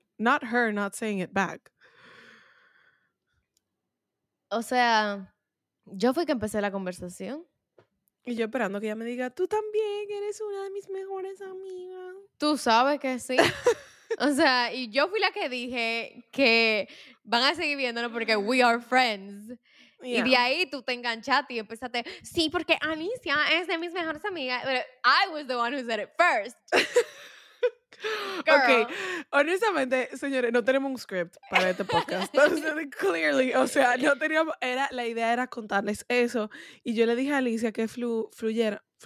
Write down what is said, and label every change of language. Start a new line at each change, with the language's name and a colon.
English: Not her not saying it back.
Spanish: O sea, yo fui que empecé la conversación. Y yo esperando que ella me diga, tú también eres una de mis mejores amigas. Tú sabes que sí. O sea, y yo fui la que dije que van a seguir viéndonos porque we are friends. Yeah. Y de ahí tú te enganchaste y empezaste, sí, porque Alicia es de mis mejores amigas.
English: But I was the one who said it first.
Spanish: Ok, honestamente, señores, no tenemos un script para este podcast. Entonces, clearly, o sea, no teníamos, era, la idea era contarles eso. Y yo le dije a Alicia que fluyéramos.